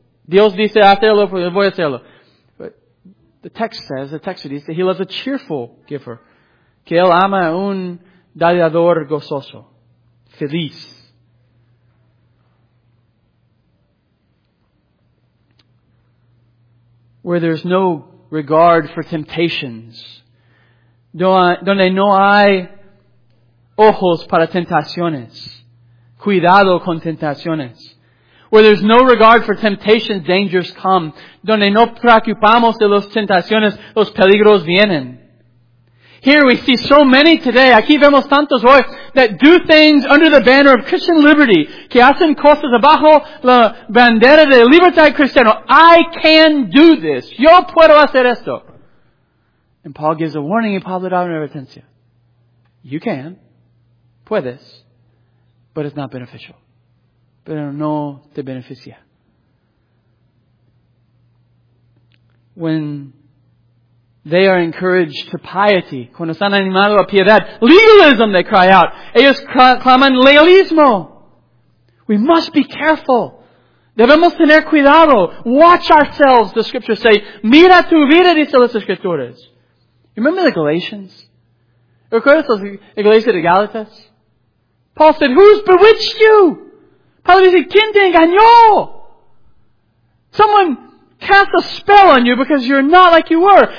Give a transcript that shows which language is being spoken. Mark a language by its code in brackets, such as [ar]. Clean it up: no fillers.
[es] Dios dice hacerlo, voy a hacerlo. [en] But the text says, he loves a cheerful giver. [es] Que él ama un dador gozoso. Feliz. [en] Where there's no regard for temptations. [es] Donde no hay ojos para tentaciones. Cuidado con tentaciones. [en] Where there's no regard for temptations, dangers come. [es] Donde no preocupamos de las tentaciones, los peligros vienen. [en] Here we see so many today, [es] aquí vemos tantos hoy, [en] that do things under the banner of Christian liberty, [es] que hacen cosas bajo la bandera de libertad cristiana. [en] I can do this. [es] Yo puedo hacer esto. [en] And Paul gives a warning in [es] Pablo da una advertencia. [en] You can. [es] Puedes. [en] But it's not beneficial. [es] Pero no te beneficia. [en] When they are encouraged to piety. [es] Cuando están animados a piedad. [en] Legalism, they cry out. [es] Ellos claman legalismo. [en] We must be careful. [es] Debemos tener cuidado. [en] Watch ourselves, the scriptures say. [es] Mira tu vida, dice las escrituras. [en] Remember the Galatians? [es] ¿Recuerdas los Iglesias de Galatas? [en] Paul said, who's bewitched you? [es] Pablo dice, ¿quién te engañó? [en] Someone cast a spell on you because you're not like you were.